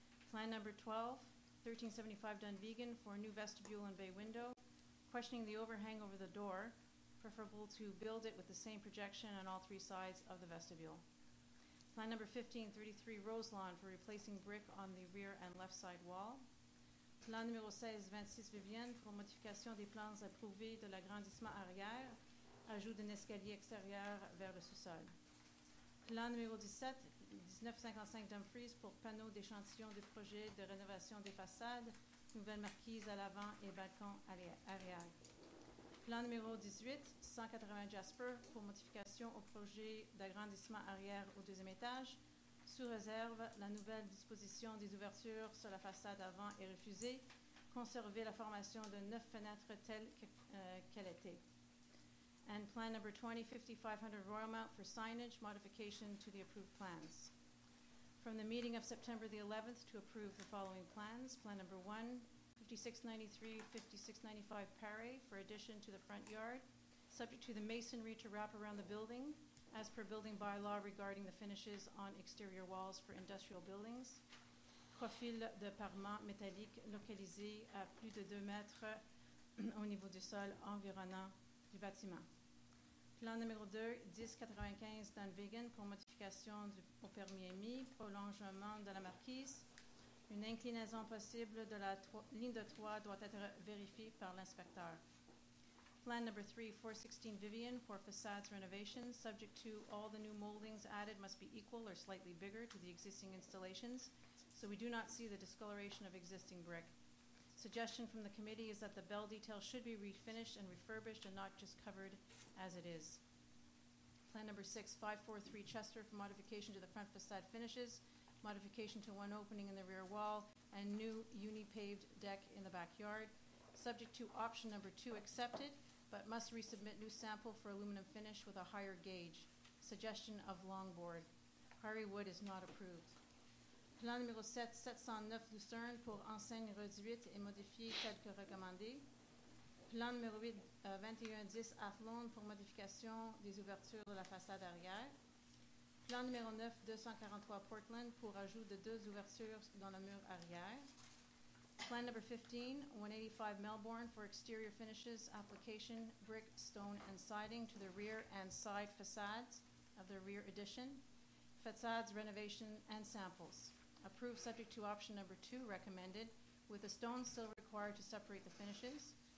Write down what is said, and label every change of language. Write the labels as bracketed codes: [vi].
[en] Plan number 12, 1375 Dunvegan for a new vestibule and bay window, questioning the overhang over the door, preferable to build it with the same projection on all three sides of the vestibule. Plan number 15, 33 Roselawn for replacing brick on the rear and left side wall. [fr] Plan numéro 16, 26 Vivienne pour modification des plans approuvés de l'agrandissement arrière, ajout d'un escalier extérieur vers le sous-sol. Plan numéro 17, 1955 Dumfries pour panneaux d'échantillon de projet de rénovation des façades, nouvelle marquise à l'avant et balcon arrière. Plan numéro 18, 180 Jasper pour modification au projet d'agrandissement arrière au deuxième étage. Sous réserve, la nouvelle disposition des ouvertures sur la façade avant est refusée. Conserver la formation de 9 fenêtres telles que, qu'elle était. [en] And plan number 20, 5500 Royal Mount for signage modification to the approved plans. From the meeting of September the 11th to approve the following plans. Plan number 1, 5693-5695 Paré for addition to the front yard, subject to the masonry to wrap around the building, as per building bylaw regarding the finishes on exterior walls for industrial buildings. [fr] Profil de parement métallique localisé à plus de 2 mètres au niveau du sol environnant du bâtiment. Plan numéro 2, 1095 Dunvegan pour modification au permis émis, prolongement de la marquise. Une inclinaison possible de la ligne de toit doit être vérifiée par l'inspecteur. [en] Plan number 3, 416 Vivian for facades renovations, subject to all the new moldings added must be equal or slightly bigger to the existing installations, so we do not see the discoloration of existing brick. Suggestion from the committee is that the bell detail should be refinished and refurbished and not just covered as it is. Plan number 6, 543 Chester for modification to the front facade finishes, modification to one opening in the rear wall, and new uni-paved deck in the backyard, subject to option number 2 accepted, but must resubmit new sample for aluminum finish with a higher gauge. Suggestion of longboard. Hardy wood is not approved. [fr] Plan numéro 7-709 Lucerne pour enseigne réduite et modifiée telle que recommandée. Plan numéro 8-2110 Athlone pour modification des ouvertures de la façade arrière. Plan numéro 9-243 Portland pour ajout de deux ouvertures dans le mur arrière. [en] Plan number 15-185 Melbourne for exterior finishes application brick, stone and siding to the rear and side facades of the rear addition. Facades, renovation and samples. Approved subject to option number 2 recommended with the stone still required to separate the finishes.